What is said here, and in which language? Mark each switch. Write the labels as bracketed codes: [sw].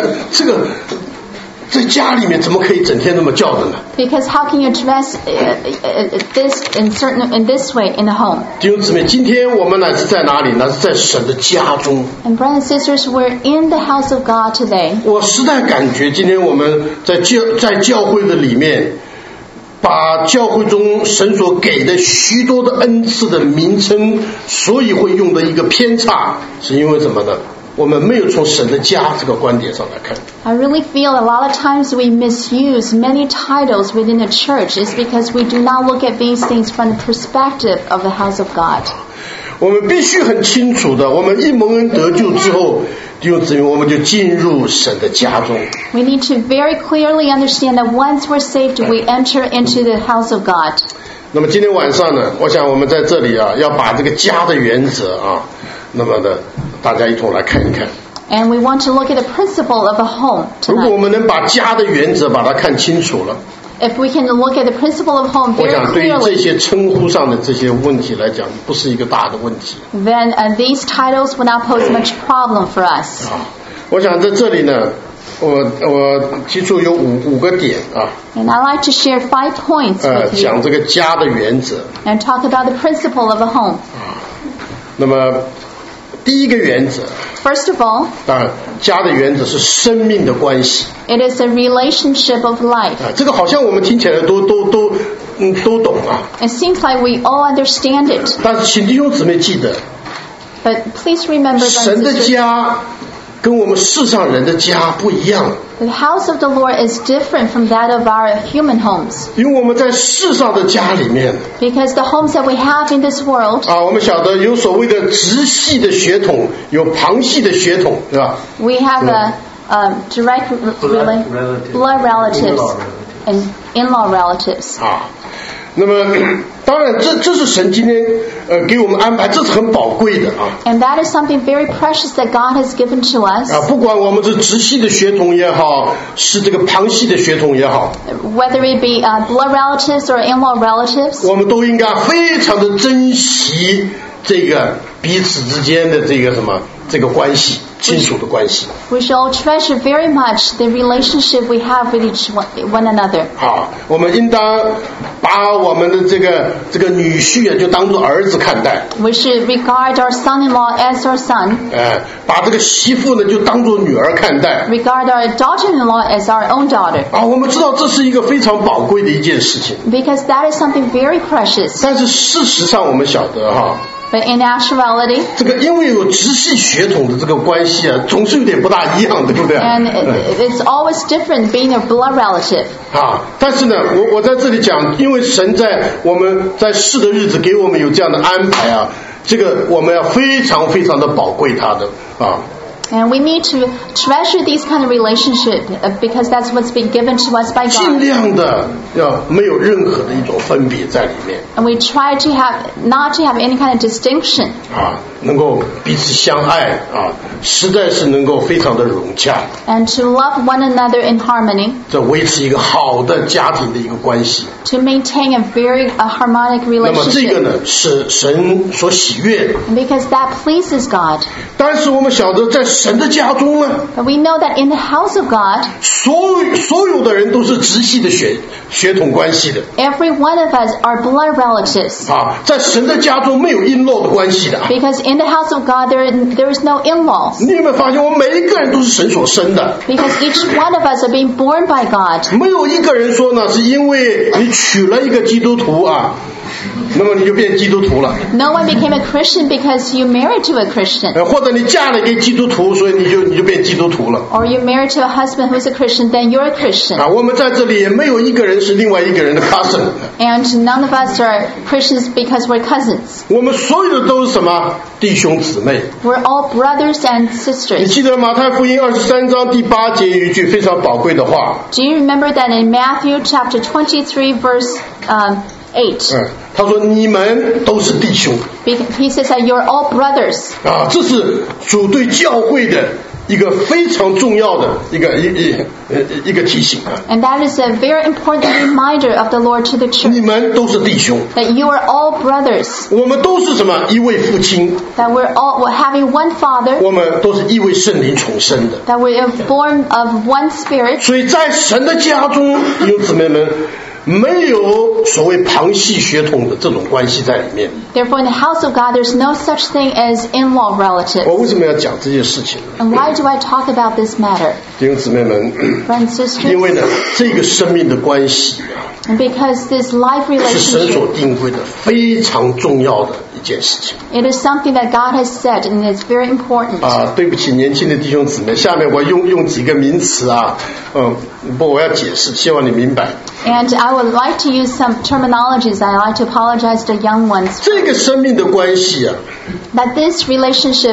[zh] 这个在家里面怎么可以整天那么叫的呢？ [en] Because how can you address this in this way in the home? [zh] 弟兄姊妹，今天我们乃是在哪里？乃是在神的家中。 [en] And brothers and sisters, we're in the house of God today. [zh] 我实在感觉今天我们在教会的里面，把教会中神所给的许多的恩赐的名称，所以会用的一个偏差，是因为什么呢？我们没有从神的家这个观点上来看。 [en] I really feel a lot of times we misuse many titles within the church is because we do not look at these things from the perspective of the house of God. [zh] 我们必须很清楚的，我们一蒙恩得救之后，弟兄姊妹，我们就进入神的家中。 [en] We need to very clearly understand that once we're saved, we enter into the house of God. [zh] 那么今天晚上呢，我想我们在这里啊，要把这个家的原则啊，那么的大家一同来看一看。 [en] And we want to look at the principle of a home tonight. [zh] 如果我们能把家的原则把它看清楚了， [en] If we can look at the principle of home very clearly, [zh] 我想对于这些称呼上的这些问题来讲，不是一个大的问题。 [en] Then these titles will not pose much problem for us. [zh] 我想在这里呢，我提出有五个点啊。 [en] And I'd like to share 5 points with you. [zh] 讲这个家的原则。 [en] And talk about the principle of a home. [zh] 那么第一个原则， [en] First of all, [zh] 家的原则是生命的关系。 [en] It is a relationship of life. [zh] 这个好像我们听起来都懂啊。 [en] It seems like we all understand it. [zh] 但是请弟兄姊妹记得， [en] But please remember, [zh] 神的家跟我们世上人的家不一样。 [en] The house of the Lord is different from that of our human homes. [zh] 因为我们在世上的家里面。 [en] Because the homes that we have in this world. [zh] 啊，我们晓得有所谓的直系的血统，有旁系的血统，是吧？ [en] We have a direct blood relatives and in-law relatives. [zh] 啊，那么当然这是神今天给我们安排，这是很宝贵的啊。 [en] And that is something very precious that God has given to us. [zh] 啊，不管我们是直系的血统也好，是这个旁系的血统也好， [en] whether it be blood relatives or in-law relatives, [zh] 我们都应该非常的珍惜这个彼此之间的这个什么这个关系，亲属的关系。 [en] We shall treasure very much the relationship we have with each one another. [zh] 好，我们应当把我们的这个女婿啊，就当作儿子看待。 [en] We should regard our son-in-law as our son. [zh] 把这个媳妇呢，就当作女儿看待。 [en] Regard our daughter-in-law as our own daughter. [zh] 啊，我们知道这是一个非常宝贵的一件事情。 [en] Because that is something very precious. [zh] 但是事实上，我们晓得哈。 [en] But in actuality, [zh] 这个因为有直系血统的这个关系啊，总是有点不大一样，对不对？ [en] And it's always different being a blood relative. [zh] 啊，但是呢，我在这里讲，因为神在我们在世的日子给我们有这样的安排啊，这个我们要非常非常的宝贵他的啊。 [en] And we need to treasure these kind of relationship because that's what's been given to us by God. [zh] 尽量的要没有任何的一种分别在里面。 [en] And we try to have not to have any kind of distinction. [zh] 啊，能够彼此相爱啊，实在是能够非常的融洽。 [en] And to love one another in harmony. [zh] 这维持一个好的家庭的一个关系。 [en] To maintain a very a harmonic relationship. [zh] 那么这个呢，是神所喜悦的。 [en] Because that pleases God. [zh] 但是我们晓得在神的家中呢， [en] But we know that in the house of God, [zh] 所有的人都是直系的血统关系的。 [en] Every one of us are blood relatives. [zh] 啊，在神的家中没有 [en] in law [zh] 的关系的。 [en] Because in the house of God, there is no in-laws. [zh] 你有没有发现，我们每一个人都是神所生的？ [en] Because each one of us are being born by God. [zh] 没有一个人说呢，是因为你娶了一个基督徒啊。那么你就变基督徒了。 [en] No one became a Christian because you married to a Christian. [zh] 或者你嫁了一个基督徒，所以你就变基督徒了。 [en] Or you married to a husband who is a Christian, then you're a Christian. [zh] 啊，我们在这里也没有一个人是另外一个人的 cousin. [en] And none of us are Christians because we're cousins. [zh] 我们所有的都是什么？弟兄姊妹。 [en] We're all brothers and sisters. [zh] 你记得马太福音23:8有一句非常宝贵的话。 [en] Do you remember that in Matthew chapter 23 verse 8? [zh] 他说你们都是弟兄。 [en] He says that you're all brothers. [zh] 啊，这是主对教会的一个非常重要的一个提醒。 [en] And that is a very important reminder of the Lord to the church. [zh] 你们都是弟兄。 [en] That you are all brothers. [zh] 我们都是什么？一位父亲。 [en] That we're having one father. [zh] 我们都是一位圣灵重生的。 [en] That we are born of one spirit. [zh] 所以在神的家中，弟兄姊妹们。没有所谓旁系血统的这种关系在里面。 [en] Therefore, in the house of God, there's no such thing as in-law relatives. [zh] 我为什么要讲这件事情？ [en] And why do I talk about this matter? [zh] 弟兄姊妹们， [en] Friends, sisters, [zh] 因为呢，这个生命的关系啊， [en] Because this life relationship [zh] 是神所定规的非常重要的一件事情。 [en] It is something that God has set, and it's very important. [zh] 啊，对不起，年轻的弟兄姊妹，下面我用几个名词啊，不，我要解释，希望你明白。 [en] And I would like to use some terminologies. I'd like to apologize to the young ones. [zh] 这个生命的关系啊， [en] that this relationship,